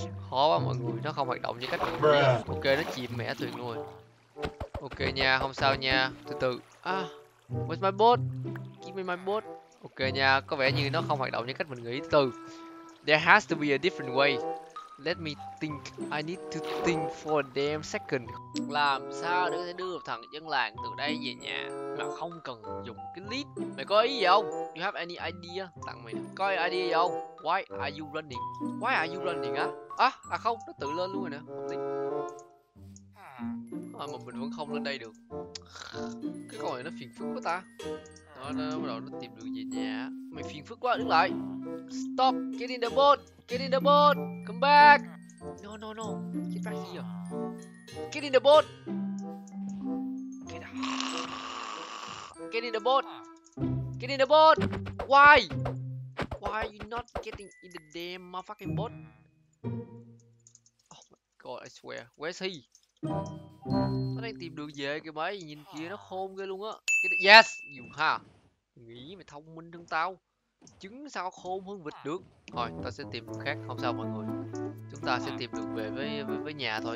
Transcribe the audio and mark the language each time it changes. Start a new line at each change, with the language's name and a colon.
Vietnamese: Khó quá mọi người, nó không hoạt động như cách mình nghĩ. Ok, nó chìm mẻ thuyền rồi. Ok nha, không sao nha. Từ từ.
English: Where's my boat? Give me my boat.
Vietnamese: Ok nha, có vẻ như nó không hoạt động như cách mình nghĩ.
English: Từ. There has to be a different way. Let me think. I need to think for a damn second.
Vietnamese: Làm sao để có thể đưa một thằng dân làng từ đây về nhà mà không cần dùng cái lift? Mày có ý gì không?
English: You have any idea?
Vietnamese: Tặng mày nè. Có idea gì không?
English: Why are you running
Vietnamese: á? À không, nó tự lên luôn rồi nè. mà mình vẫn không lên đây được. Cái con này nó phiền phức quá ta. Nó bắt đầu nó tìm đường về nhà. Mày phiền phức quá, đứng lại.
English: Stop, get in the boat. Get in the boat, come back. No, no, no, get back here. Get in the boat. Get in the boat. Get in the boat. Why? Why are you not getting in the damn motherfucking boat? Oh my god, I swear. Where's he?
Vietnamese: Nó đang tìm đường về kìa mày. Nhìn kìa, nó khôn ghê luôn á.
English: Yes, you
Vietnamese: ha. Nghĩ mày thông minh hơn tao. Chứng sao khôn hơn vịt được. Thôi, tao sẽ tìm đường khác, không sao mọi người. Chúng ta sẽ tìm đường về với nhà thôi.